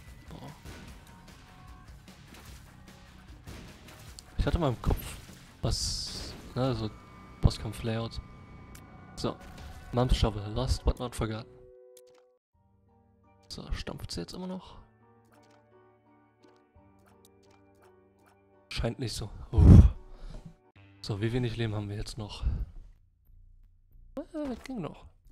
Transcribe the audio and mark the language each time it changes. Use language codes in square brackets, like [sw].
[de] Oh. Ich hatte mal im Kopf, was. Ne, also Bosskampf-Layout. So. [en] Mom's Shovel, last but not forgotten. [de] So, stampft sie jetzt immer noch? Scheint nicht so. Uff. So, wie wenig Leben haben wir jetzt noch? Das ging noch.